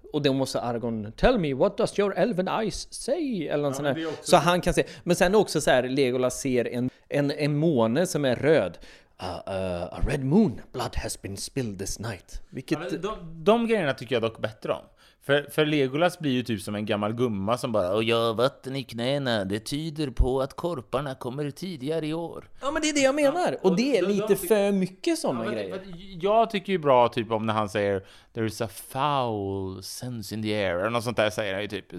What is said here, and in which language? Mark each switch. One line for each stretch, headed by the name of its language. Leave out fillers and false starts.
Swedish: Och då måste Aragorn,
English: tell me, what does your elven eyes say?
Swedish: Eller något, ja, så det. Han kan se. Men sen också så här, Legolas ser en måne som är röd.
English: A red moon, blood has been spilled this night.
Swedish: Vilket... Ja, de grejerna tycker jag dock bättre om. För Legolas blir ju typ som en gammal gumma som bara, och jag har vatten i knäna, det tyder på att korparna kommer tidigare i år. Ja, men det är det jag menar. Ja, och det är lite för mycket sådana grejer. Men jag tycker ju bra typ om när han säger,
English: there is a foul sense in the air,
Swedish: eller något sånt där säger han ju typ.